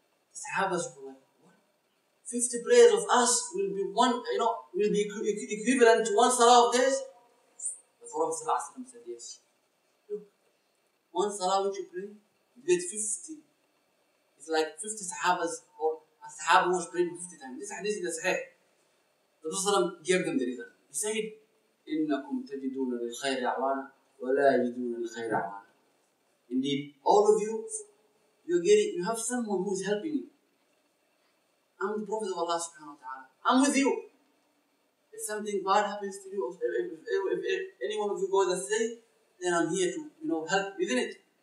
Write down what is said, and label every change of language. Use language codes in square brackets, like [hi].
[en] The Sahabas were like, what? 50 prayers of us will be one, you know, will be equivalent to one salah of theirs? The Prophet said yes. Look, one salah which you pray, you get 50. It's like 50 Sahabas or a Sahaba who was praying 50 times. This hadith is the Sahih. The Prophet gave them the reason. He said, [ar] إِنَّكُمْ تَجِدُونَ لِلْخَيْرِ أَعْوَانَ وَلَا يَجِدُونَ لِلْخَيْرِ أَعْوَانَ. [en] Indeed, all of you're getting, you have someone who is helping you. I'm the Prophet of Allah subhanahu wa ta'ala. I'm with you. If something bad happens to you, if any one of you goes astray, then I'm here to, you know, help, isn't it?